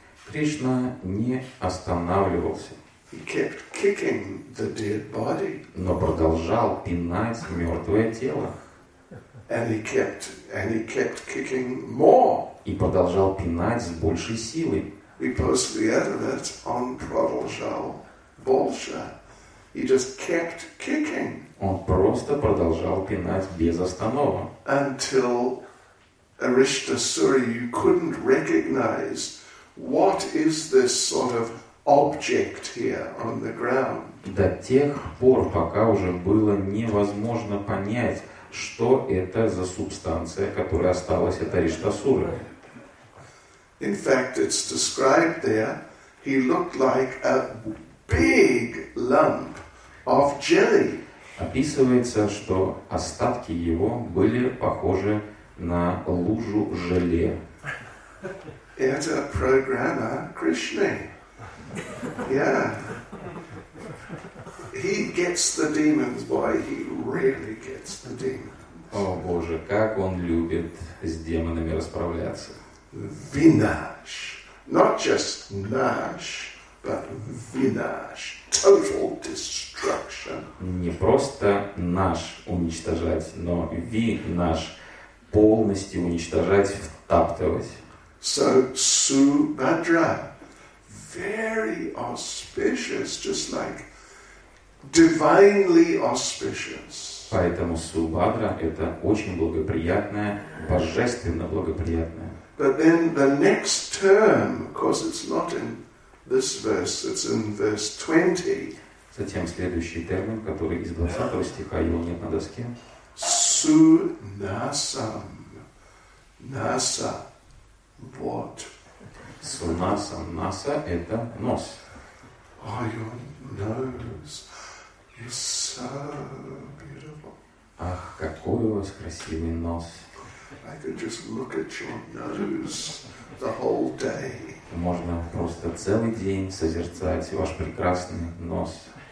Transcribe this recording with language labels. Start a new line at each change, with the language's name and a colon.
Russian: Кришна не останавливался.
English: He kept kicking the dead body.
Russian: Но продолжал пинать мертвое тело.
English: And he kept kicking more.
Russian: И продолжал пинать с большей силой.
English: He posted the end of it on Pradal Shal.
Russian: больше.
English: He just kept kicking.
Russian: Он просто продолжал пинать без остановки.
English: Until Arishtasura, you couldn't recognize what is this sort of object here on the ground.
Russian: До тех пор, пока уже было невозможно понять, что это за субстанция, которая осталась от Ариштасуры.
English: In fact, it's described there, he looked like a big lump of jelly.
Russian: Описывается, что остатки его были похожи на лужу желе. Это программа Кришны. Yeah.
English: He gets the demons, boy. He really gets the demons.
Russian: О, Боже, как он любит с демонами расправляться.
English: Vinash. Not just Nash, but Vinash. Total destruction.
Russian: Не просто Nash уничтожать, но Vinash полностью уничтожать, втаптывать.
English: So Subhadra, very auspicious, just like divinely auspicious.
Russian: Поэтому Субхадра – это очень благоприятное, божественно благоприятное.
English: But then the next term, because it's not in this verse, it's in verse 20.
Russian: Затем следующий термин, который из 20 стиха, его нет на доске. Сунасам. Наса. Вот. Сунасам. Наса – это нос.
English: Oh, your nose. You're so beautiful.
Russian: Ах, какой у вас красивый нос.
English: I could just look at your nose the whole day.
Russian: Можно просто целый день созерцать ваш прекрасный нос.